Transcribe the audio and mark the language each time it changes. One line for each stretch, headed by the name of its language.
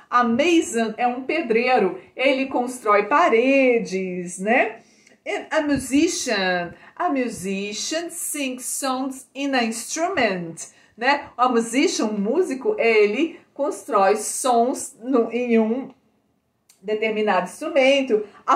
Portuguese: A mason é um pedreiro, ele constrói paredes, né?
English: And a musician sings songs in an instrument. Né?
Portuguese: A musician, um músico, ele constrói sons em um determinado instrumento.